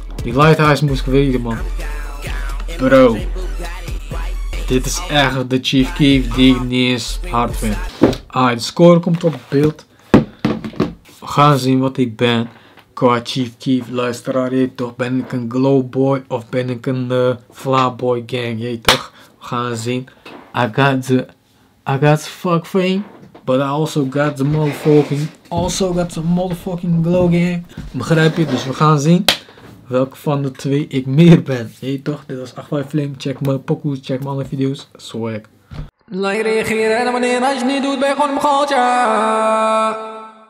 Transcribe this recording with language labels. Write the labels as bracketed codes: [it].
[nl] Die Lighthouse moest ik weten, man. Bro. Dit is echt de Chief Keef die ik niet eens hard vind. Ah, de score komt op beeld. We gaan zien wat ik ben. Qua Chief Keef, luisteraar, je toch? Ben ik een Glowboy of ben ik een Flaboy gang, je toch? We gaan zien. [en] I got the fuck fame, but I also got the motherfucking, also got the motherfucking glow gang. [nl] Begrijp je? Dus we gaan zien welke van de twee ik meer ben. Jeet toch? Dit was 8x5 Flame. Check mijn pokoes, check mijn andere video's. Swag. Like, reageren en abonneren. Als je het niet doet, ben je gewoon een m'n gootje.